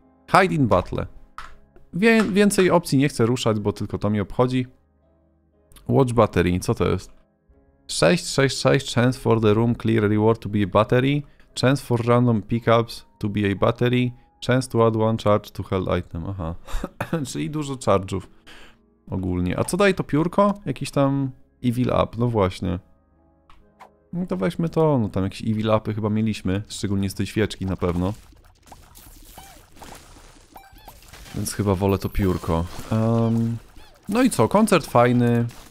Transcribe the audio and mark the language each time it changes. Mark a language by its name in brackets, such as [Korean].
[English] Hide in battle. [Polish] Więcej opcji nie chcę ruszać, bo tylko to mi obchodzi. [English] Watch battery, [Polish] co to jest? [English] 666, chance for the room clear reward to be a battery. Chance for random pickups to be a battery. Chance to add one charge to held item. [Polish] Aha, czyli dużo charge'ów ogólnie. A co daje to piórko? Jakiś tam evil up, no właśnie. No to weźmy to, no tam jakieś evil upy chyba mieliśmy. Szczególnie z tej świeczki na pewno. Więc chyba wolę to piórko. No i co, koncert fajny.